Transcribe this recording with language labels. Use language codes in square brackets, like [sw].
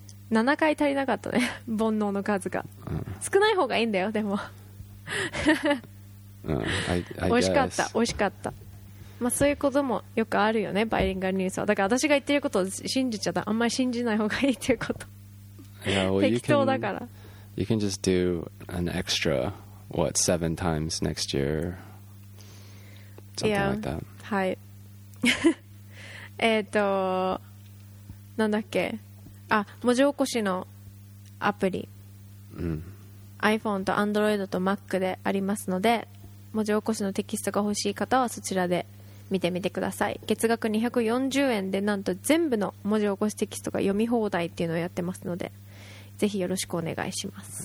[ja] 7回足りなかったね煩悩の数が、少ない方がいいんだよでも美味しかった美味しかった、まあ、そういうこともよくあるよねバイリンガルニュースはだから私が言ってることを信じちゃったあんまり信じない方がいいっていうこと [en] yeah, well, [ja] 適当だから [en] you can just do an extra what 7 times next year something、 yeah. like that [ja] はい何だっけあ文字起こしのアプリ、うん、 iPhone と Android と Mac でありますので文字起こしのテキストが欲しい方はそちらで見てみてください月額240円でなんと全部の文字起こしテキストが読み放題っていうのをやってますのでぜひよろしくお願いします